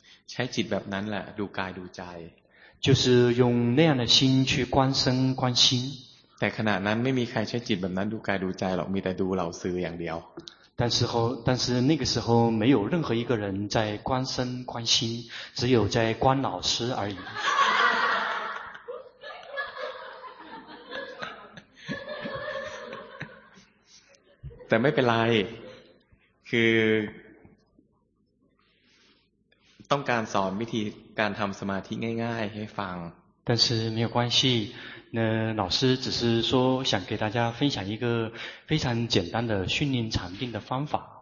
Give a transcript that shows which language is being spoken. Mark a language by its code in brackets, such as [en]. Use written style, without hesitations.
[th] ใช้จิตแบบนั้นแหละดูกายดูใจ [zh] 就是用那样的心去观身观心 [th] แต่ขณะนั้นไม่มีใครใช้จิตแบบนั้นดูกายดูใจหรอกมีแต่ดูเหล่าซื้ออย่างเดียว [zh] 但是那个时候没有任何一个人在观身观心只有在观老师而已 [th] แต่ไม่เป็นไรคือต้องการสอนวิธีการทำสมาธิง่ายๆให้ฟัง [zh] 但是没有关系那老师只是说想给大家分享一个非常简单的训练禅定的方法。